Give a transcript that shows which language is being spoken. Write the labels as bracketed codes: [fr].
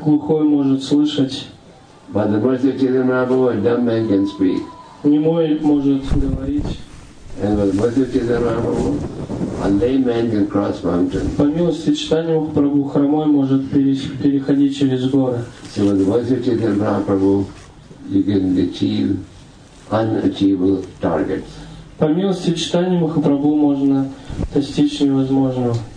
[ru] Глухой может слышать. [en] By the mercy of Chaitanya Mahaprabhu, a dumb man can speak. [ru] Немой может говорить. [en] And with the mercy of Chaitanya Mahaprabhu, a lame man can cross mountains. [ru] По милости читания Махапрабху хромой может переходить через горы. [en] So with the mercy of Chaitanya Mahaprabhu, you can achieve unachievable targets. [ru] По милости читания Махапрабху можно достичь невозможного.